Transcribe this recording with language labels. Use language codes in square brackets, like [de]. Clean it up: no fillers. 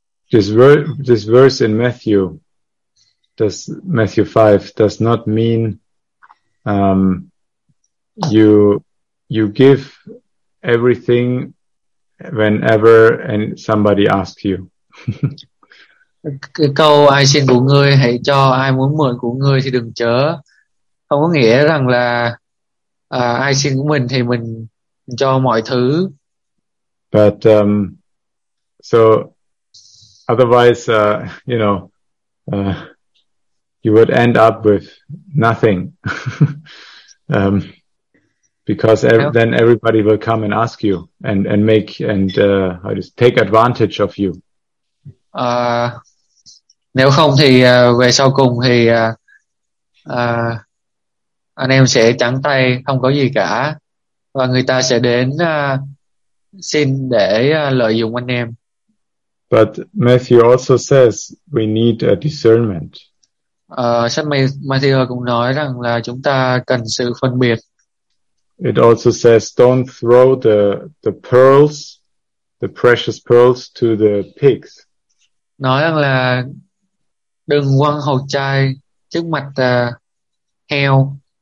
[en] This verse in Matthew, does Matthew 5 does not mean you give everything whenever and somebody asks you. [vi] Cái câu ai xin của ngươi hãy cho, ai muốn mượn của ngươi thì đừng chớ, không có nghĩa rằng là ai xin của mình thì mình cho mọi thứ. [en] But so otherwise you know you would end up with nothing. Because then everybody will come and ask you and take advantage of you. [vi] Nếu không thì về sau cùng thì anh em sẽ trắng tay không có gì cả, và người ta sẽ đến xin để lợi dụng anh em. [en] But Matthew also says we need a discernment. [vi] Sách Matthew cũng nói rằng là chúng ta cần sự phân biệt. [en] It also says don't throw the pearls, the precious pearls to the pigs. [vi] Nói rằng là đừng quăng hột chai trước mặt heo.